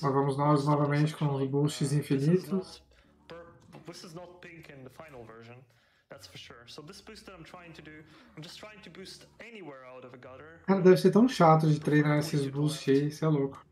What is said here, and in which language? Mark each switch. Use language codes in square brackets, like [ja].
[pt] Mas vamos nós novamente com os boosts infinitos. [en] This is not pink in the final version, that's for sure. So this boost that I'm trying to do, I'm just trying to boost anywhere out of a gutter. [pt] Cara, deve ser tão chato de treinar esses boosts aí, isso é louco.